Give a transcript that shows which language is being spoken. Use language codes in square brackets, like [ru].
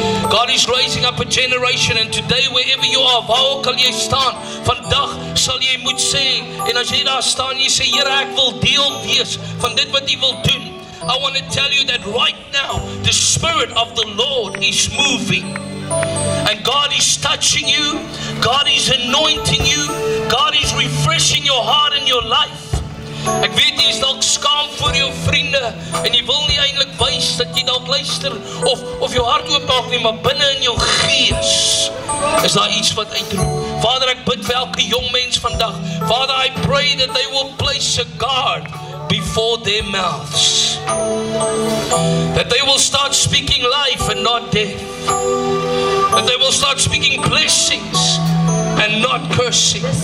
[en] God is raising up a generation, and today wherever you are, [af] waar ook al jy staan, vandag sal jy moet sê, en as jy daar staan, jy sê, Here, ek wil deel wees van dit wat jy wil doen. [en] I want to tell you that right now, the Spirit of the Lord is moving. And God is touching you. God is anointing you. God is refreshing your heart and your life. [af] Ek weet jy is dalk skaam voor jou vriende en jy wil nie eintlik wys dat jy dalk luister of jou hart oopmaak nie, maar binne in jou gees is daar iets wat uitroep. Vader, ek bid vir elke jong mens vandag. [en] Vader, I pray that they will place a guard before their mouths. That they will start speaking life and not death. That they will start speaking blessings and not cursing.